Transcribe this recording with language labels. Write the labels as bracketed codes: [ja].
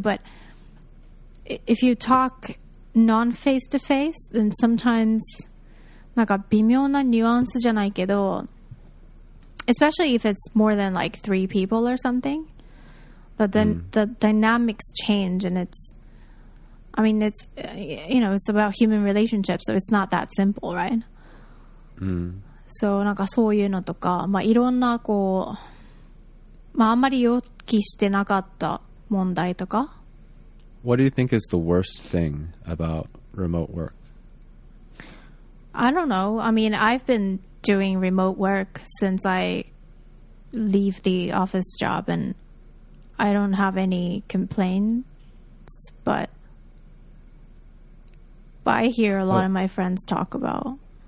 [en] But if you talk non-face-to-face, then sometimes, [ja] なんか微妙なニュアンスじゃないけど、 [en] especially if it's more than like three people or something, but then the dynamics change, and it's, I mean, it's, you know, it's about human relationships, so it's not that simple, right? [ja] So, なんかそういうのとか、まあいろんなこう、まああんまり予期してなかった問題とか。 [en] What do you think is the worst thing about remote work? I don't know. I mean, I've been doing remote work since I leave the office job, and I don't have any complaints, but I hear a lot of my friends talk about